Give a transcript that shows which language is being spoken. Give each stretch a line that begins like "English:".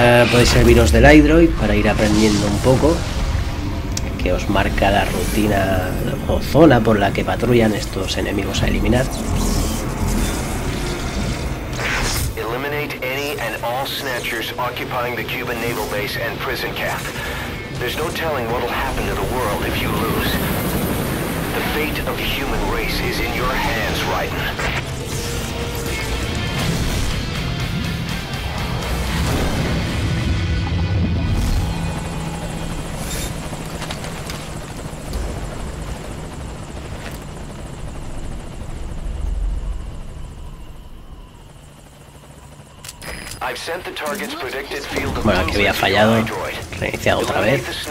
Spanish: Podéis serviros del iDroid para ir aprendiendo un poco, que os marca la rutina o zona por la que patrullan estos enemigos a eliminar.
English: Eliminate any and all snatchers occupying the Cuban naval base and prison camp. There's no telling what will happen to the world if you lose. The fate of the human race is in your hands, Raiden. I've sent the target's predicted field of
Spanish: bueno, que había fallado. Reiniciado otra vez.